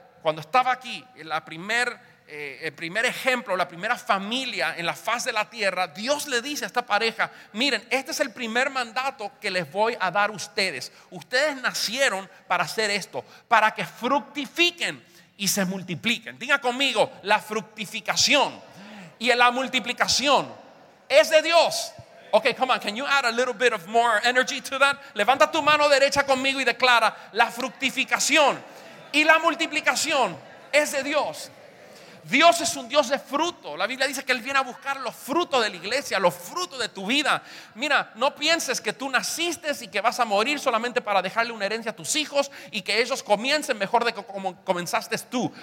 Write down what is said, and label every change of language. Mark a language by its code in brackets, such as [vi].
[es] Cuando estaba aquí, el primer ejemplo, la primera familia en la faz de la tierra, Dios le dice a esta pareja, miren, este es el primer mandato que les voy a dar a ustedes. Ustedes nacieron para hacer esto, para que fructifiquen y se multipliquen. Diga conmigo, la fructificación y la multiplicación es de Dios. [en] Ok, come on, can you add a little bit of more energy to that? [es] Levanta tu mano derecha conmigo y declara, la fructificación y la multiplicación es de Dios. Dios es un Dios de fruto. La Biblia dice que Él viene a buscar los frutos de la iglesia, los frutos de tu vida. Mira, no pienses que tú naciste y que vas a morir solamente para dejarle una herencia a tus hijos y que ellos comiencen mejor de como comenzaste tú.